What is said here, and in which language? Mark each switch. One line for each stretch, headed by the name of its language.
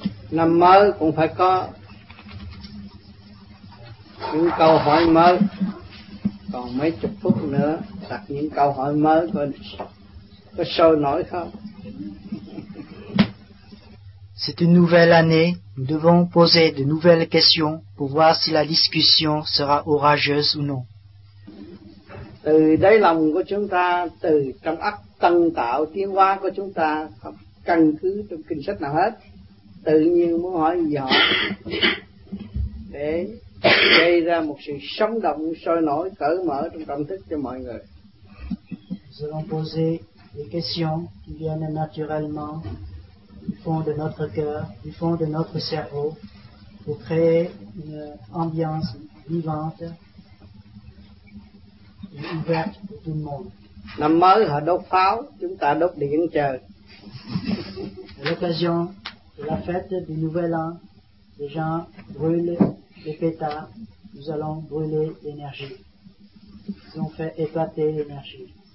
Vietnamese: Năm mới cũng phải có những câu hỏi mới, còn mấy chục phút nữa đặt những câu hỏi mới có sôi nổi không?
French: C'est une nouvelle année, nous devons poser de nouvelles questions pour voir si la discussion sera orageuse ou non.
Vietnamese: Từ đáy lòng của chúng ta, từ trong ấp tân tạo tiến hóa của chúng ta, không căn cứ trong kinh sách nào hết, tự nhiên muốn hỏi gì hỏi, để gây ra một sự sống động, sôi nổi, cởi mở trong tâm thức cho mọi người.
French: Nous devons poser des questions qui viennent naturellement, du fond de notre cœur, du fond de notre cerveau, pour créer une ambiance vivante et ouverte pour tout le monde.
Vietnamese: Năm mới họ đốt pháo, chúng ta đốt điện trời.
French: À l'occasion de la fête du Nouvel An, les gens brûlent les pétards, nous allons brûler l'énergie. Ils ont fait éclater l'énergie.